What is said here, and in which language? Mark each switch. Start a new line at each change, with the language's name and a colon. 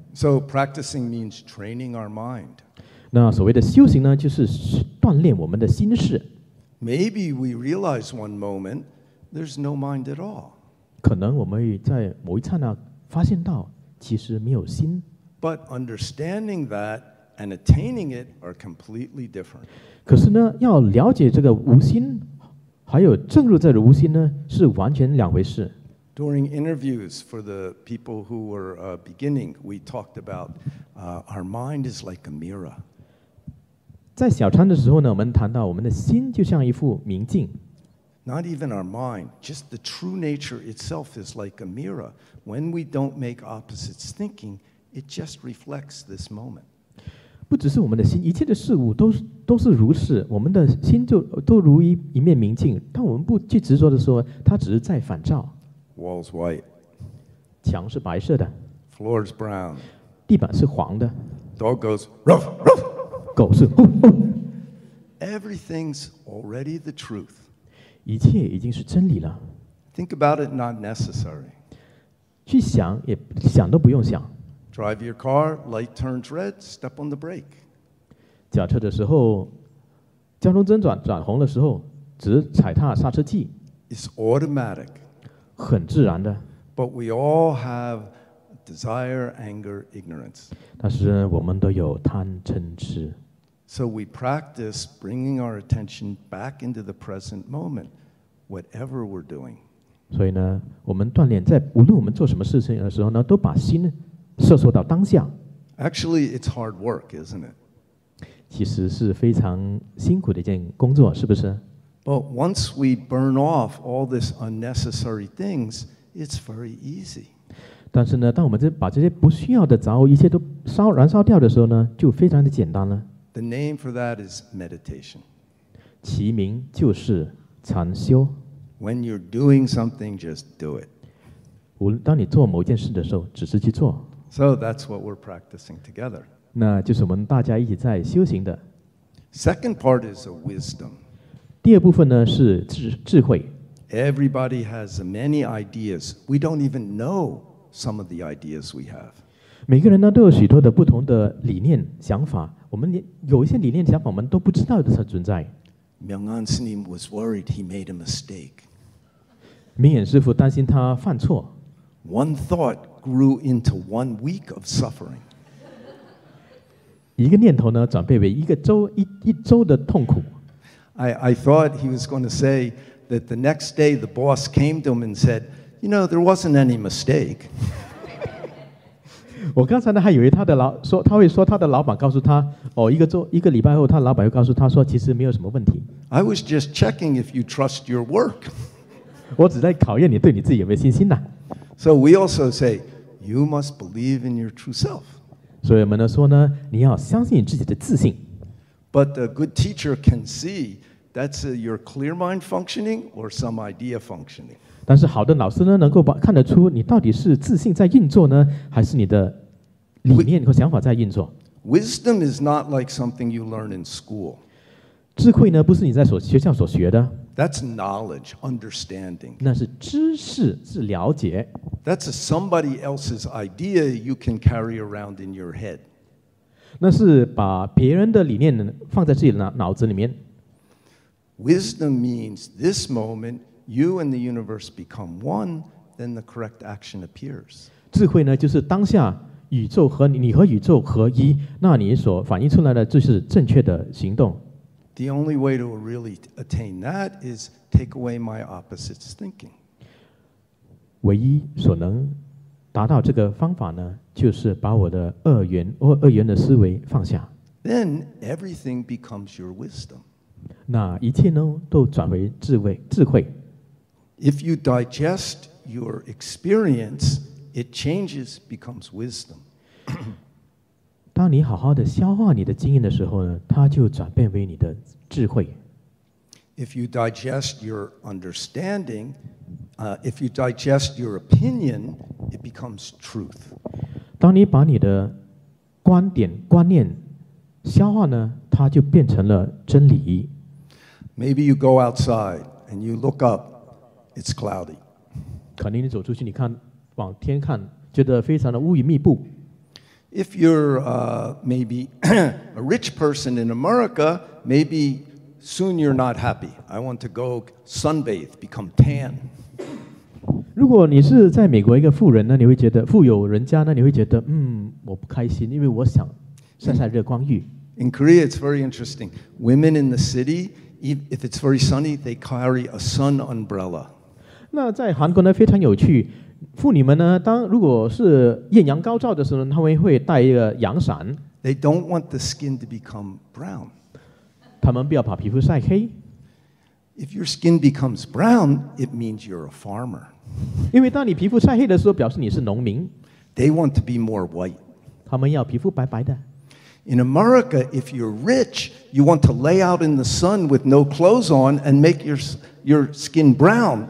English: So practicing means training our mind.
Chinese: 那所谓的修行呢，就是锻炼我们的心事。
English: Maybe we realize one moment there's no mind at all.
Chinese: 可能我们在某一刹那发现到，其实没有心。
English: But understanding that and attaining it are completely different.
Chinese: 可是呢，要了解这个无心，还有证入这个无心呢，是完全两回事。
English: During interviews for the people who were beginning, we talked about our mind is like a mirror.
Chinese: 在小餐的时候呢，我们谈到我们的心就像一副明镜。
English: Not even our mind, just the true nature itself is like a mirror. When we don't make opposites thinking. It just reflects this moment.
Chinese: 不只是我们的心，一切的事物都是如此。我们的心就都如一面明镜。当我们不去执着的时候，它只是在反照。
English: Walls white.
Chinese: 墙是白色的。
English: Floors brown.
Chinese: 地板是黄的。
English: Dog goes ruff ruff.
Chinese: 狗是呼呼。
English: Everything's already the truth.
Chinese: 一切已经是真理了。
English: Think about it, not necessary.
Chinese: 去想也想都不用想。
English: Drive your car, light turns red, step on the brake.
Chinese: 驾车的时候，交通灯转红的时候，只踩踏刹车器。
English: It's automatic.
Chinese: 很自然的。
English: But we all have desire, anger, ignorance.
Chinese: 但是我们都有贪嗔痴。
English: So we practice bringing our attention back into the present moment, whatever we're doing.
Chinese: 所以呢，我们锻炼在无论我们做什么事情的时候呢，都把心。摄受到当下。
English: Actually, it's hard work, isn't it?
Chinese: 其实是非常辛苦的一件工作，是不是？
English: But once we burn off all these unnecessary things, it's very easy.
Chinese: 但是呢，当我们把这些不需要的杂物一切都燃烧掉的时候呢，就非常的简单了。
English: The name for that is meditation.
Chinese: 其名就是禅修。
English: When you're doing something, just do it.
Chinese: 当你做某件事的时候，只是去做。
English: So that's what we're practicing together.
Chinese: 那就是我们大家一起在修行的。
English: Second part is a wisdom.
Chinese: 第二部分呢是智慧。
English: Everybody has many ideas. We don't even know some of the ideas we have.
Chinese: 每个人呢都有许多的不同的理念想法。我们有一些理念想法我们都不知道的存在。
English: Myung An Sinim was worried he made a mistake.
Chinese: 明眼师父担心他犯错。
English: One thought. Grew into 1 week of suffering.
Chinese: 一个念头呢，转变为一周的痛苦。
English: I thought he was going to say that the next day the boss came to him and said, "You know, there wasn't any mistake."
Chinese: 我刚才呢还以为他会说他的老板告诉他，哦，一个礼拜后，他老板又告诉他说，其实没有什么问题。
English: I was just checking if you trust your work.
Chinese: 我只在考验你对你自己有没有信心呢。
English: So we also say, you must believe in your true self.
Chinese: 所以我们呢说呢，你要相信自己的自信。
English: But a good teacher can see that's your clear mind functioning or some idea functioning.
Chinese: 但是好的老师呢，能够看得出你到底是自信在运作呢，还是你的理念和想法在运作。
English: Wisdom is not like something you learn in school.
Chinese: 智慧呢，不是你在学校所学的。
English: That's knowledge, understanding.
Chinese: 那是知识，是了解。
English: That's a somebody else's idea you can carry around in your head.
Chinese: 那是把别人的理念放在自己的脑子里面。
English: Wisdom means this moment, you and the universe become one, then the correct action appears.
Chinese: 智慧呢，就是当下宇宙和你，你和宇宙合一，那你所反映出来的就是正确的行动。
English: The only way to really attain that is take away my opposite thinking.
Chinese: 唯一所能达到这个方法呢，就是把我的二元的思维放下。
English: Then everything becomes your wisdom.
Chinese: 那一切呢，都转为智慧。
English: If you digest your experience, it changes, becomes wisdom.
Chinese: 当你好好的消化你的经验的时候呢，它就转变为你的智慧。
English: If you digest your understanding, if you digest your opinion, it becomes truth.
Chinese: 当你把你的观点观念消化呢，它就变成了真理。
English: Maybe you go outside and you look up, it's cloudy.
Chinese: 可能你走出去，你看往天看，觉得非常的乌云密布。
English: If you're maybe a rich person in America, maybe soon you're not happy. I want to go sunbathe, become tan.
Chinese: 如果你是在美国一个富人呢，你会觉得富有人家呢，你会觉得我不开心，因为我想晒晒热光浴。
English: In Korea, it's very interesting. Women in the city, if it's very sunny, they carry a sun umbrella.
Chinese: 那在韩国呢，非常有趣。妇女们呢，当如果是艳阳高照的时候呢，他们会带一个阳伞。
English: They don't want the skin to become brown.
Chinese: 他们不要把皮肤晒黑。
English: If your skin becomes brown, it means you're a farmer.
Chinese: 因为当你皮肤晒黑的时候，表示你是农民。
English: They want to be more white.
Chinese: 他们要皮肤白白的。
English: In America, if you're rich, you want to lay out in the sun with no clothes on and make your skin brown.